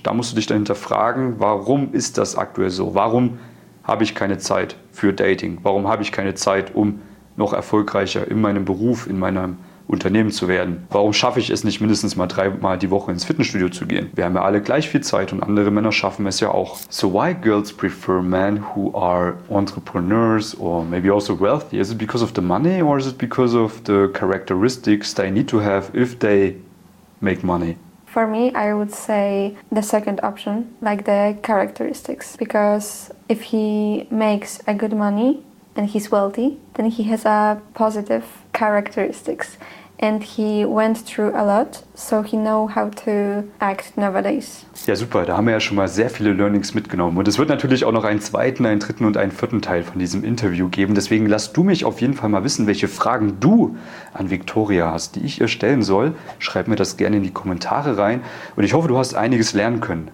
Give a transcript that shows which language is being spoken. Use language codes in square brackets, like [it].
[de] Da musst du dich dahinter fragen, warum ist das aktuell so? Warum habe ich keine Zeit für Dating? Warum habe ich keine Zeit, um noch erfolgreicher in meinem Beruf, in meinem Unternehmen zu werden? Warum schaffe ich es nicht, mindestens mal 3-mal die Woche ins Fitnessstudio zu gehen? Wir haben ja alle gleich viel Zeit und andere Männer schaffen es ja auch. [en] So why girls prefer men who are entrepreneurs or maybe also wealthy? Is it because of the money or is it because of the characteristics they need to have if they make money? For me, I would say the second option, like the characteristics. Because if he makes a good money and he's wealthy, then he has a positive characteristics and he went through a lot, so he know how to act nowadays. [de] Ja, super, da haben wir ja schon mal sehr viele Learnings mitgenommen und es wird natürlich auch noch einen zweiten, einen dritten und einen vierten Teil von diesem Interview geben. Deswegen lass du mich auf jeden Fall mal wissen, welche Fragen du an Victoria hast, die ich ihr stellen soll. Schreib mir das gerne in die Kommentare rein und ich hoffe, du hast einiges lernen können.